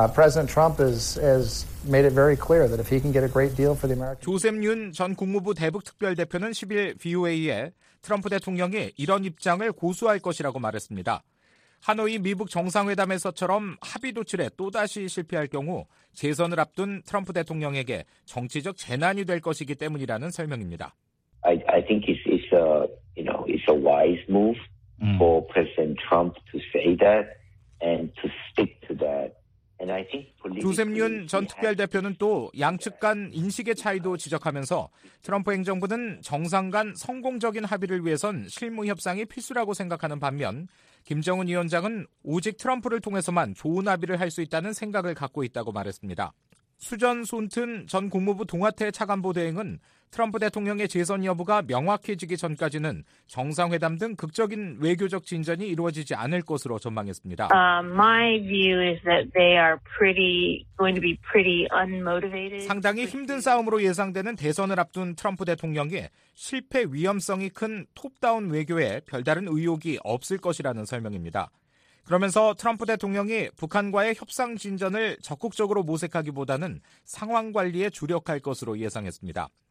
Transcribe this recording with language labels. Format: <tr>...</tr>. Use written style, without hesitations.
<en>President Trump has made it very clear that if he can get a great deal for the American</en> <ko>조셉 윤 전 국무부 대북 특별 대표는 10일 VOA에 트럼프 대통령이 이런 입장을 고수할 것이라고 말했습니다. 하노이 미북 정상회담에서처럼 합의 도출에 또다시 실패할 경우 재선을 앞둔 트럼프 대통령에게 정치적 재난이 될 것이기 때문이라는 설명입니다.</ko> <en>I think it's a wise move for President Trump to say that and to stick to that. And I think</en> <ko>조셉 윤 전 특별 대표는 또 양측 간 인식의 차이도 지적하면서 트럼프 행정부는 정상 간 성공적인 합의를 위해선 실무 협상이 필수라고 생각하는 반면 김정은 위원장은 오직 트럼프를 통해서만 좋은 합의를 할 수 있다는 생각을 갖고 있다고 말했습니다. 수전 손튼 전 국무부 동아태 차관보 대행은 트럼프 대통령의 재선 여부가 명확해지기 전까지는 정상회담 등 극적인 외교적 진전이 이루어지지 않을 것으로 전망했습니다.</ko> <en>My view is that they are going to be pretty unmotivated.</en> <ko>상당히 힘든 싸움으로 예상되는 대선을 앞둔 트럼프 대통령이 실패 위험성이 큰 톱다운 외교에 별다른 의욕이 없을 것이라는 설명입니다. 그러면서 트럼프 대통령이 북한과의 협상 진전을 적극적으로 모색하기보다는 상황 관리에 주력할 것으로 예상했습니다.</ko>